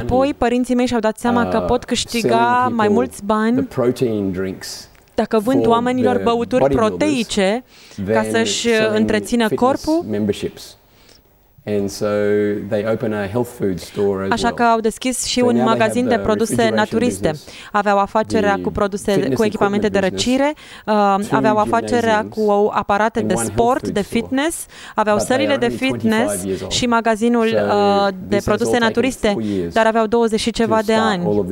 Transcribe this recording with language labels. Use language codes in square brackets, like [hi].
[ro] Apoi părinții mei și-au dat seama că pot câștiga mai mulți bani dacă vând oamenilor băuturi proteice ca să-și întrețină corpul. [en] And so they open a health food store as [ro] Așa că au deschis și un magazin de produse naturiste. Aveau afacerea cu produse, cu echipamente de răcire, aveau afacerea cu aparate de sport, de fitness, aveau sările de fitness și magazinul de produse naturiste, dar aveau 20 și ceva de ani.